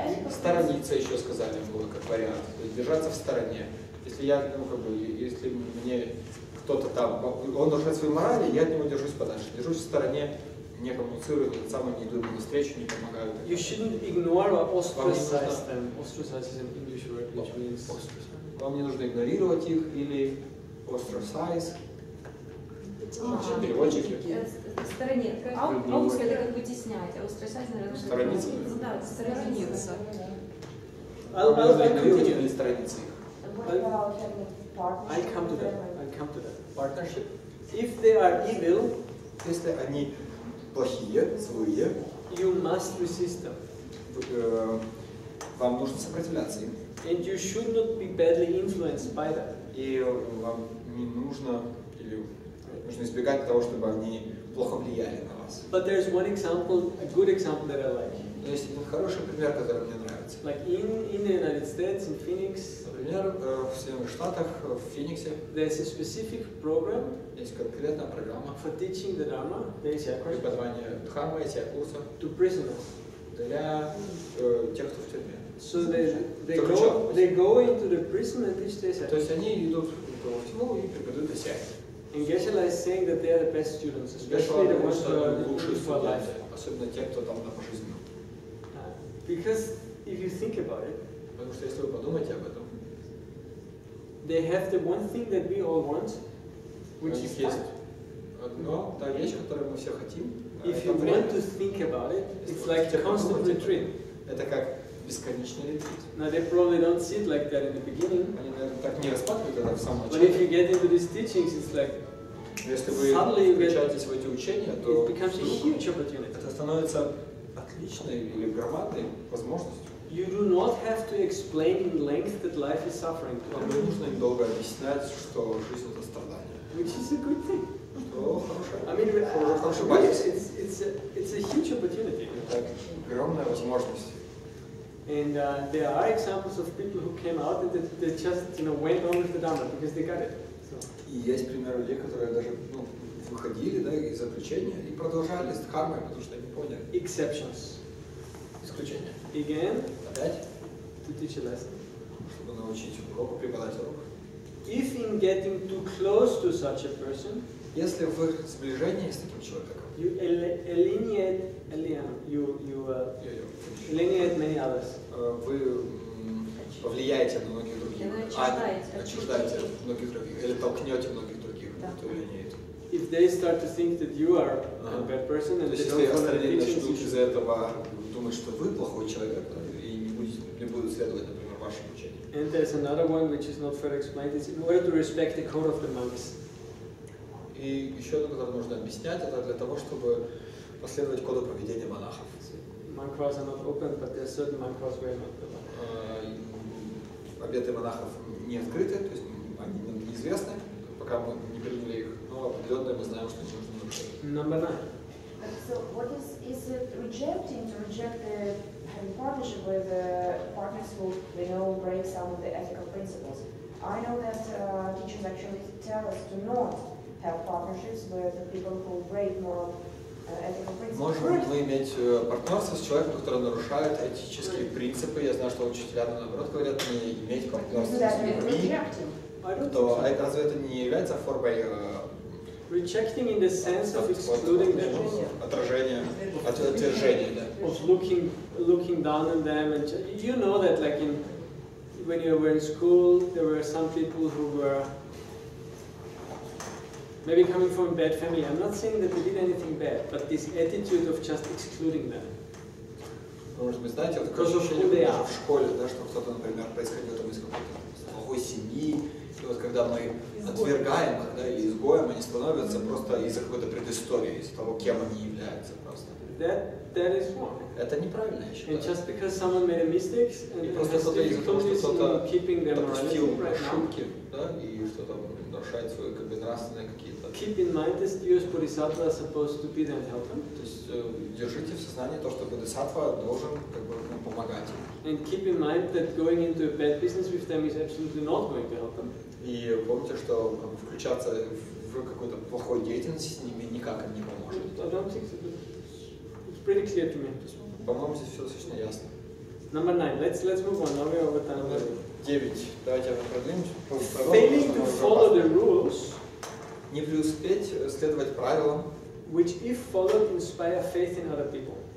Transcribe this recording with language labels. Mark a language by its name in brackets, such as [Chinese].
[Russian] Сторониться еще сказали было как вариант. То есть держаться в стороне. Если я, ну как бы, если мне кто-то там, он нарушает свои морали, я от него держусь подальше. Держусь в стороне, не коммуницирую, тот самый не иду ему навстречу, не помогаю. [English] You shouldn't ignore or ostracize them. Ostracize is an English word, which means ostracize. [Russian] Вам не нужно игнорировать их или [English] ostracize. [Russian] Переводчики. Стороне. Аутская это как бы теснять, а устрасать, наверное, сторониться. Да, сторониться. [English] I'll come to that. I'll come to that. Partnership. If they are evil, [Russian] если они плохие, злые, [English] you must resist them. [Russian] Вам нужно сопротивляться им. [English] And you should not be badly influenced by them. [Russian] И вам не нужно или. Нужно избегать того, чтобы они плохо влияли на вас. [English] But there's one example, a good example that I like. [Russian] Есть один хороший пример, который мне нравится. [English] Like in the United States, in Phoenix. [Russian] Например, в Соединенных Штатах, в Фениксе. [English] There's a specific program. [Russian] Есть конкретная программа. [English] For teaching the Dharma, there's a course. [Russian] Преподавание Дхармы, эти курсы. [English] To prisoners. [Russian] Для тех, кто в тюрьме. [English] So they go into the prison and teach the Asya. [Russian] То есть они идут в тюрьму и преподают Асья. [English] And Geshe-la is saying that they are the best students, especially the ones who are good for life. [Russian] Особенно те, кто там на пожизненном. [English] Because if you think about it, [Russian] потому что если вы подумаете об этом, [English] they have the one thing that we all want, which is time. [Russian] Одно, та вещь, которую мы все хотим. [English] If you want to think about it, it's like a constant retreat. [Russian] Это как бесконечный ретрит. [English] Now they probably don't see it like that in the beginning. [Russian] Они, наверное, так не распадают это в самом начале. [English] But if you get into these teachings, it's like [Russian] если вы включаетесь в эти учения, то [English] it becomes a huge opportunity. [Russian] Это становится отличной или громадной возможностью. [English] You do not have to explain in length that life is suffering. [Russian] Вам не нужно им долго объяснять, что жизнь это страдание. [English] Which is a good thing. [Russian] Что хорошо. [English] I mean, [Russian] хороший базис. [English] It's a huge opportunity. [Russian] Это огромная возможность. [English] And there are examples of people who came out and they just, you know, went on with the Dharma because they got it. [Russian] И есть примеры людей, которые даже выходили, да, из заключения и продолжали с дхармой, потому что они поняли. [English] Exceptions. [Russian] Исключения. [English] Again. [Russian] Опять. [English] To teach a lesson. [Russian] Чтобы научить урок, преподать урок. [English] If in getting too close to such a person. [Russian] Если в сближении с таким человеком. [English] You alienate many others. [Russian] Вы повлияете на многих других. Отчуждаете многих других. Или толкнете многих других. [English] If they start to think that you are a bad person and [Russian] если остальные начнут из-за этого думать, что вы плохой человек, и не будут следовать, например, вашему учению. [English] And there's another one which is not fairly explained. It's in order to respect the code of the monks. [Russian] И еще одно, которое нужно объяснять, это для того, чтобы последовать коду поведения монахов. [English] Monk vows are not open, but there are certain monk vows where not open. [Russian] обеты монахов не открыты, то есть они нам неизвестны, пока мы не приняли их, но определенное мы знаем, что нужно нарушить. [English] Number nine. So, is it rejecting to reject the partnership with the partners who, we know, break some of the ethical principles? I know that teachers actually tell us to not have partnerships with the people who break moral [Russian] Можем ли мы иметь партнерство с человеком, который нарушает этические принципы? Я знаю, что учителя наоборот говорят не иметь партнерство с людьми. То разве это не является формой [English] rejecting in the sense of excluding them? [Russian] Отражение, отвержение, да. [English] Of looking down on them and you know that like in when you were in school there were some people who were maybe coming from a bad family. I'm not saying that they did anything bad, but this attitude of just excluding them. [Russian] Может быть, знаете, вот такое ощущение, что даже в школе, да, что кто-то, например, происходит из какой-то плохой семьи, и вот когда мы отвергаем их, да, и изгоем, они становятся просто из-за какой-то предыстории, из-за того, кем они являются просто. [English] That is wrong. [Russian] Это неправильно, я считаю. [English] And just because someone made a mistake, and [Russian] просто кто-то из-за того, что кто-то [English] keeping them [Russian] допустил ошибки, да, и что-то нарушает свои как бы нравственные какие-то. [English] Keep in mind that US Bodhisattva are supposed to be the helper. [Russian] То есть держите в сознании то, что Бодхисаттва должен как бы нам помогать им. [English] And keep in mind that going into a bad business with them is absolutely not going to help them. [Russian] И помните, что как бы, включаться в какой-то плохой деятельности с ними никак им не поможет. [English] I don't think so. It's pretty clear to me. [Russian] По-моему, здесь все достаточно ясно. [English] Number nine. Let's move on. Now we are over time. [Russian] 9. Давайте продвинемся. [English] Failing to follow the rules. [Russian] Не преуспеть следовать правилам. [English] Which if followed inspire faith in other people.